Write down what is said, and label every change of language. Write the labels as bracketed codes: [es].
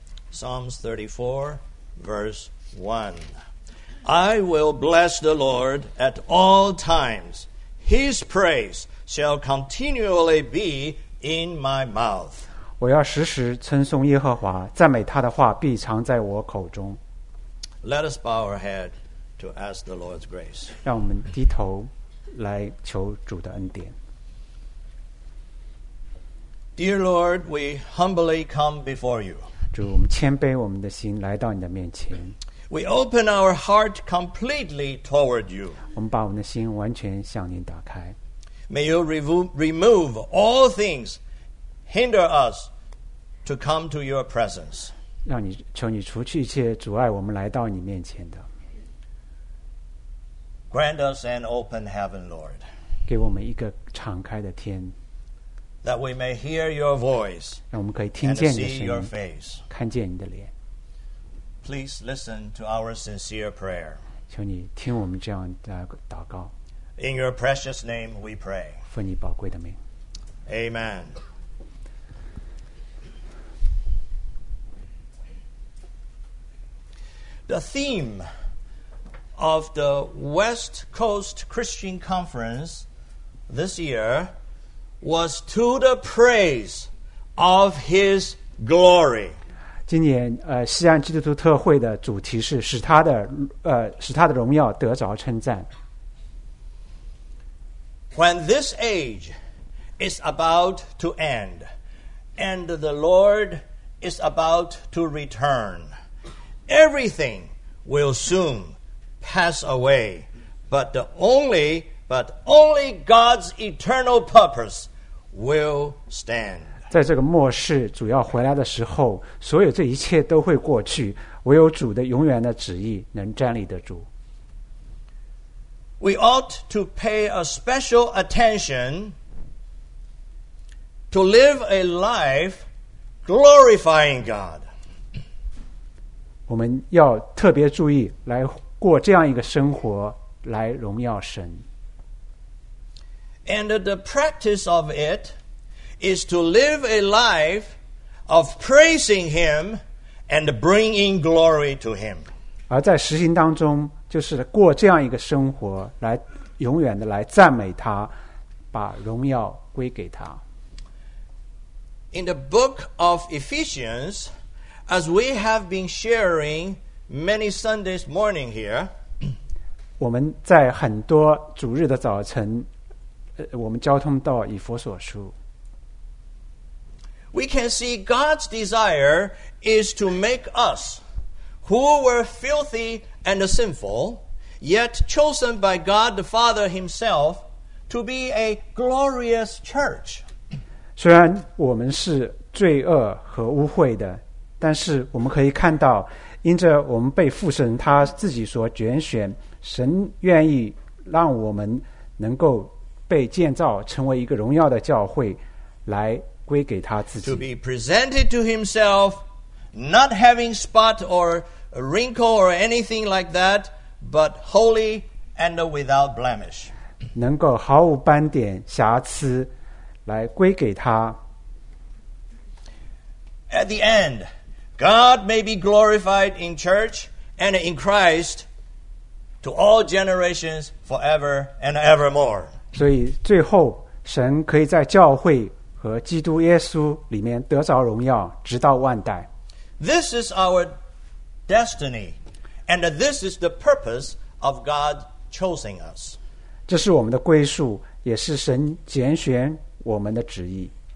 [en] Psalms 34, verse 1. I will bless the Lord at all times. His praise shall continually be in my mouth. [zh] 我要时时称颂耶和华，赞美他的话必常在我口中。 [en] Let us bow our head to ask the Lord's grace. [zh] 让我们低头来求主的恩典。 [en] Dear Lord, we humbly come before you. [zh] 主，我们谦卑我们的心来到你的面前。 [en] We open our heart completely toward you. [zh] 我们把我们的心完全向您打开。 [en] May you remove all things hinder us to come to your presence. [zh] 让你求你除去一切阻碍我们来到你面前的。 [en] Grant us an open heaven, Lord. [zh] 给我们一个敞开的天。 [en] That we may hear your voice. [zh] 让我们可以听见你的声音。 [en] And see your face. [zh] 看见你的脸。 [en] Please listen to our sincere prayer. [zh] 求你听我们这样的祷告。 [en] In your precious name we pray. [zh] 奉你宝贵的名。 [en] Amen. The theme of the West Coast Christian Conference this year was to the praise of His glory. [zh] 今年西岸基督徒特会的主题是使他的荣耀得着称赞。 [en] When this age is about to end, and the Lord is about to return, everything. Will soon pass away, but only God's eternal purpose will stand. [zh] 在这个末世主要回来的时候，所有这一切都会过去，唯有主的永远的旨意能站立得住。 [en] We ought to pay a special attention to live a life glorifying God. [zh] 我们要特别注意来过这样一个生活来荣耀神。 [en] And the practice of it is to live a life of praising Him and bringing glory to Him. [zh] 而在实行当中，就是过这样一个生活，来永远的来赞美他，把荣耀归给他。 [en] In the book of Ephesians, as we have been sharing many Sundays morning here, [zh] 我们在很多主日的早晨，我们交通到以弗所书。 [en] We can see God's desire is to make us, who were filthy and sinful, yet chosen by God the Father Himself, to be a glorious church. [zh] 虽然我们是罪恶和污秽的，但是我们可以看到，因着我们被父神他自己所拣选，神愿意让我们能够被建造成为一个荣耀的教会，来归给他自己。 [en] To be presented to himself, not having spot or wrinkle or anything like that, but holy and without blemish. [zh] 能够毫无斑点瑕疵来归给他。 [en] At the end, God may be glorified in church and in Christ to all generations forever and evermore. [zh] 所以最后神可以在教会和基督耶稣里面得着荣耀，直到万代。 [en] This is our destiny, and this is the purpose of God choosing us. [zh] 这是我们的归宿，也是神拣选我们的旨意。